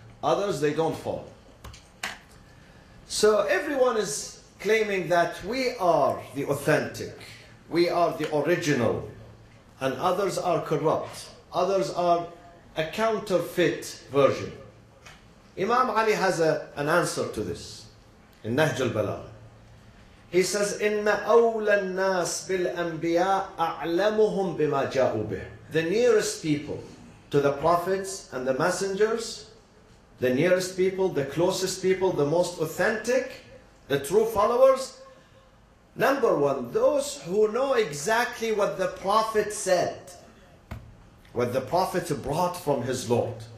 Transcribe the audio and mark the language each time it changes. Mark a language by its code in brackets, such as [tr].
[en] Others, they don't follow. So everyone is claiming that we are the authentic, we are the original, and others are corrupt. Others are a counterfeit version. Imam Ali has an answer to this in Nahj al-Balagha. He says, [ar] إِنَّ أَوْلَى النَّاسِ بِالْأَنْبِيَاءِ أَعْلَمُهُمْ بِمَا جَاءُوا بِهِ. [en] The nearest people to the prophets and the messengers, the nearest people, the closest people, the most authentic, the true followers. Number one, those who know exactly what the Prophet said, what the Prophet brought from his Lord.